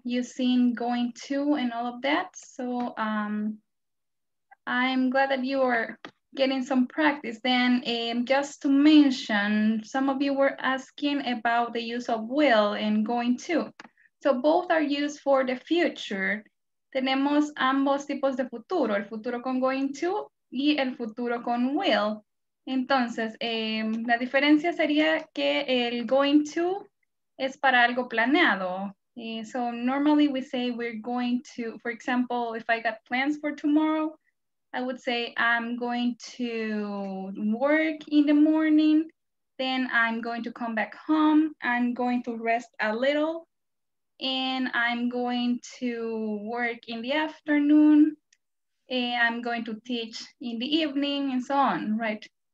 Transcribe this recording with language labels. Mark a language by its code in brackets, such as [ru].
[en] You've seen going to and all of that. So I'm glad that you are getting some practice. Then just to mention, some of you were asking about the use of will and going to. So both are used for the future. [es] Tenemos ambos tipos de futuro, el futuro con going to y el futuro con will. Entonces, la diferencia sería que el going to es para algo planeado. [en] So normally we say we're going to, for example, if I got plans for tomorrow, I would say I'm going to work in the morning, then I'm going to come back home, I'm going to rest a little, and I'm going to work in the afternoon, and I'm going to teach in the evening, and so on, right?